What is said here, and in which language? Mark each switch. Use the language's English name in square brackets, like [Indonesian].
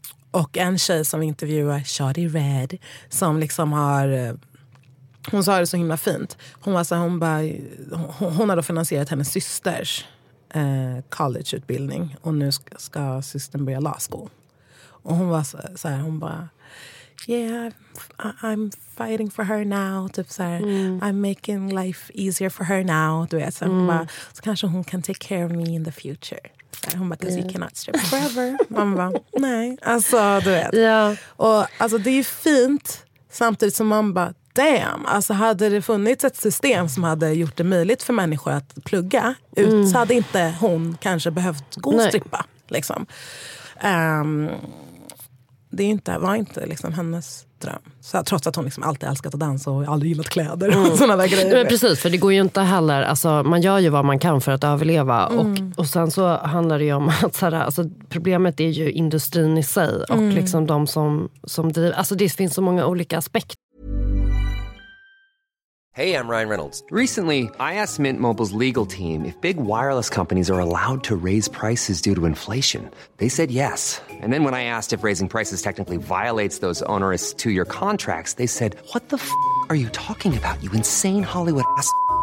[Swedish] Och en tjej som vi intervjuar, Shadi Red, som liksom har... Hon sa det så himla fint. Hon var så här, hon har då finansierat hennes systers college-utbildning. Och nu ska systern börja law school. Och hon var så här, hon bara... [English] Yeah, I'm fighting for her now. [Swedish] Typ så här, [English] I'm making life easier for her now. [Swedish] Du vet, så, hon bara, så kanske hon kan [English] take care of me in the future. [Swedish] Hon bara, [English] 'cause you cannot strip forever. [Swedish] Man bara, nej. Alltså, du vet. Yeah. Och alltså, det är ju fint, samtidigt som man bara, damn. Alltså, hade det funnits ett system som hade gjort det möjligt för människor att plugga ut, så hade inte hon kanske behövt gå och strippa. Liksom. Det är inte, var inte liksom hennes dröm. Så, trots att hon liksom alltid älskat att dansa och aldrig gillat kläder och sådana där grejer. Men precis, för det går ju inte heller. Alltså, man gör ju vad man kan för att överleva. Mm. Och sen så handlar det ju om att så här, alltså, problemet är ju industrin i sig. Och liksom de som driver. Alltså det finns så många olika aspekter. [English] Hey, I'm Ryan Reynolds. Recently, I asked Mint Mobile's legal team if big wireless companies are allowed to raise prices due to inflation. They said yes. And then when I asked if raising prices technically violates those onerous two-year contracts, they said, what the f*** are you talking about, you insane Hollywood ass f-.